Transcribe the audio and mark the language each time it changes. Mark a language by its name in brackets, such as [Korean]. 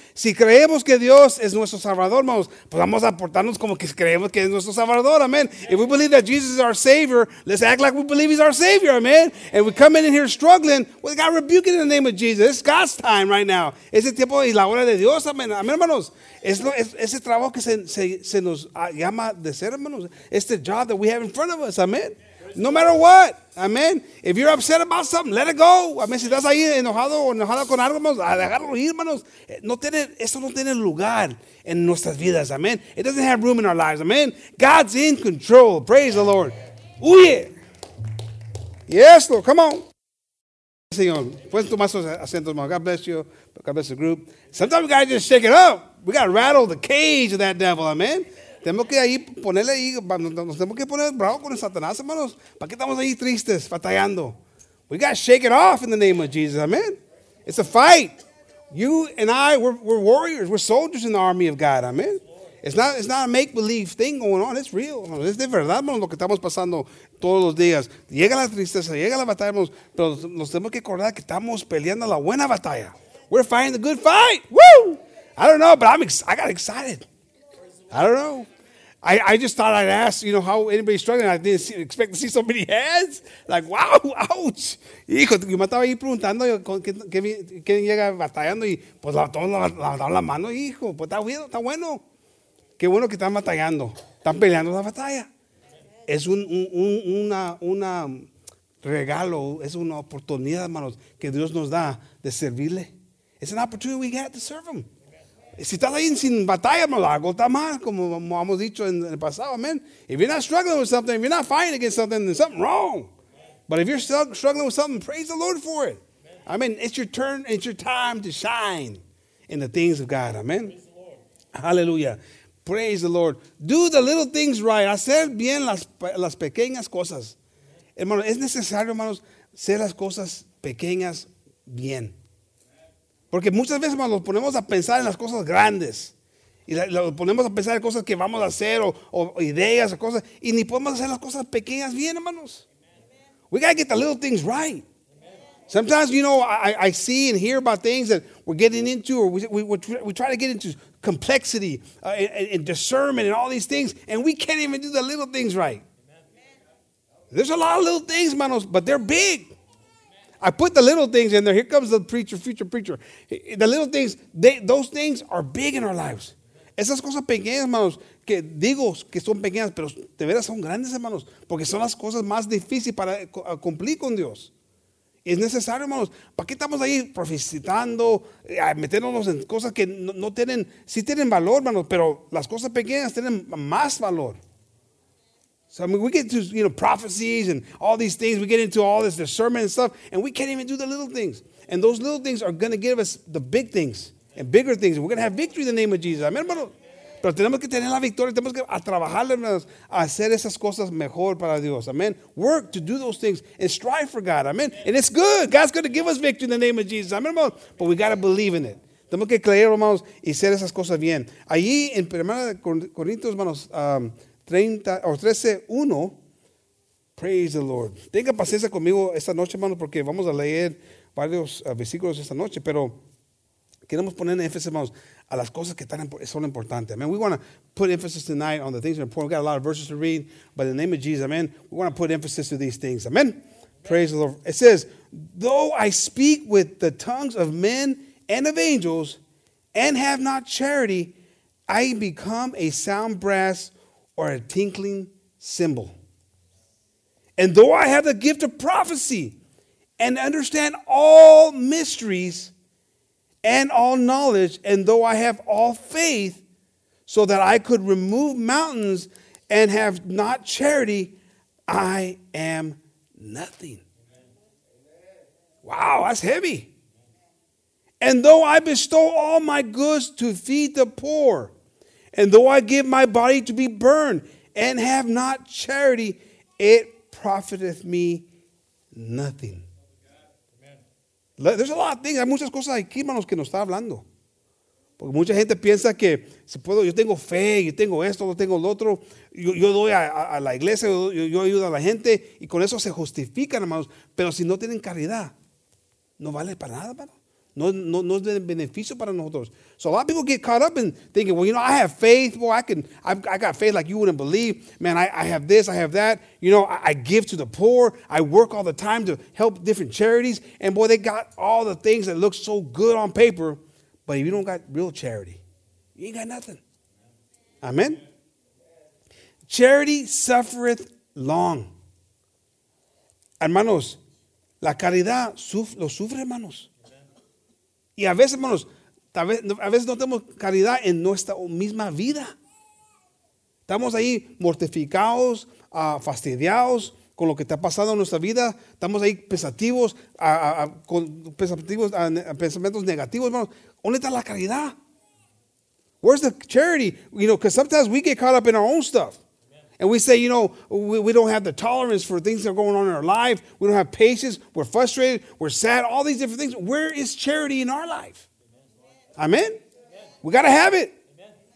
[Spanish] Si creemos que Dios es nuestro Salvador, hermanos, pues vamos a portarnos como que creemos que es nuestro Salvador, amén. [English] If we believe that Jesus is our Savior, let's act like we believe He's our Savior, amén. And we come in here struggling, we got rebuked in the name of Jesus. It's God's time right now. [Spanish] Es el tiempo y la hora de Dios, amén, hermanos. Es el trabajo que se nos llama de ser, hermanos. [English] It's the job that we have in front of us, amen. No matter what, amen. If you're upset about something, let it go. Amen. [Spanish] Si estás ahí enojado o enojada con algo, hermanos, dejarlo ir, hermanos. Eso no tiene lugar en nuestras vidas, amen. [English] It doesn't have room in our lives, amen. God's in control. Praise the Lord. Huye. Yes, Lord, come on. [Spanish] Señor, pueden tomar sus asientos, hermanos. [English] God bless you. God bless the group. Sometimes we gotta just shake it up. We got to rattle the cage of that devil, amen. [Spanish] Tenemos que ahí ponerle ahí, nos tenemos que poner bravo con el Satanás, hermanos. ¿Para qué estamos ahí tristes, batallando? [English] We got to shake it off in the name of Jesus, amen. It's a fight. You and I, we're warriors. We're soldiers in the army of God, amen. It's not a make-believe thing going on. It's real. [Spanish] Es de verdad, hermanos, lo que estamos pasando todos los días. Llega la tristeza, llega la batalla, hermanos. Pero nos tenemos que acordar que estamos peleando la buena batalla. [English] We're fighting the good fight. Woo! I don't know, but I got excited. I don't know. I just thought I'd ask, how anybody's struggling. I didn't expect to see so many hands. Like, wow, ouch. [Spanish] Hijo, yo me estaba ahí preguntando quién llega batallando y pues la mano, hijo. Pues está bueno, está bueno. Qué bueno que están batallando. Están peleando la batalla. Es una regalo, es una oportunidad, hermanos, que Dios nos da de servirle. [English] It's an opportunity we get to serve Him. [Spanish] Si estás ahí sin batalla, hermano, algo está mal, como hemos dicho en el pasado, amen. [English] If you're not struggling with something, if you're not fighting against something, there's something wrong. But if you're struggling with something, praise the Lord for it. Amen. It's your turn, it's your time to shine in the things of God, amen. Hallelujah. Praise the Lord. Do the little things right. [Spanish] Hacer bien las pequeñas cosas. Hermano, es necesario, hermanos, hacer las cosas pequeñas bien. Porque muchas veces, hermanos, nos ponemos a pensar en las cosas grandes. Y nos ponemos a pensar en cosas que vamos a hacer o ideas o cosas. Y ni podemos hacer las cosas pequeñas bien, hermanos. [English] Amen. We got to get the little things right. Amen. Sometimes, I see and hear about things that we're getting into or we try to get into complexity and discernment and all these things. And we can't even do the little things right. Amen. There's a lot of little things, hermanos, but they're big. I put the little things in there. Here comes the preacher, future preacher. The little things, those things are big in our lives. [Spanish] Esas cosas pequeñas, hermanos, que digo que son pequeñas, pero de veras son grandes, hermanos, porque son las cosas más difíciles para cumplir con Dios. Es necesario, hermanos. ¿Para qué estamos ahí profetizando, metiéndonos en cosas que no tienen, sí tienen valor, hermanos, pero las cosas pequeñas tienen más valor? [English] So, I mean, we get to, you know, prophecies and all these things. We get into all this discernment and stuff, and we can't even do the little things. And those little things are going to give us the big things and bigger things. We're going to have victory in the name of Jesus. [Spanish] Amen, hermano. Pero tenemos que tener la victoria. Tenemos que trabajar, hermanos, a hacer esas cosas mejor para Dios. Amen. [English] Work to do those things and strive for God. Amen. And it's good. God's going to give us victory in the name of Jesus. Amen, hermano. But we got to believe in it. [Spanish] Tenemos que creer, hermanos, y hacer esas cosas bien. Allí en 1 Corintios, hermanos, 13:1, [English] praise the Lord. [Spanish] Tenga paciencia conmigo esta noche, hermanos, porque vamos a leer varios versículos esta noche, pero queremos poner énfasis, hermanos, a las cosas que son importantes. [English] Amen. We want to put emphasis tonight on the things that are important. We got a lot of verses to read, but in the name of Jesus, amen, we want to put emphasis to these things. Amen. Praise the Lord. It says, though I speak with the tongues of men and of angels and have not charity, I become a sound brass or a tinkling cymbal. And though I have the gift of prophecy and understand all mysteries and all knowledge, and though I have all faith so that I could remove mountains and have not charity, I am nothing. Wow, that's heavy. And though I bestow all my goods to feed the poor, and though I give my body to be burned and have not charity, it profiteth me nothing. There's a lot of things. [Spanish] Hay muchas cosas aquí, hermanos, que nos está hablando. Porque mucha gente piensa que si puedo, yo tengo fe, yo tengo esto, yo tengo lo otro. Yo doy a la iglesia, yo ayudo a la gente. Y con eso se justifican, hermanos. Pero si no tienen caridad, no vale para nada, hermanos. No es de beneficio para nosotros. [English] So a lot of people get caught up in thinking, well, you know, I have faith. Well, I got faith like you wouldn't believe. Man, I have this, I have that. You know, I give to the poor. I work all the time to help different charities. And boy, they got all the things that look so good on paper. But if you don't got real charity, you ain't got nothing. Amen? Charity suffereth long. [Spanish] Hermanos, la caridad lo sufre, hermanos. Y a veces, hermanos, a veces no tenemos caridad en nuestra misma vida. Estamos ahí mortificados, fastidiados con lo que está pasando en nuestra vida. Estamos ahí pensativos, con pensativos, pensamientos negativos, hermanos. ¿Dónde está la caridad? [English] Where's the charity? You know, because sometimes we get caught up in our own stuff. And we say, you know, we don't have the tolerance for things that are going on in our life. We don't have patience. We're frustrated. We're sad. All these different things. Where is charity in our life? Amen? Amen. We got to have it. Amen.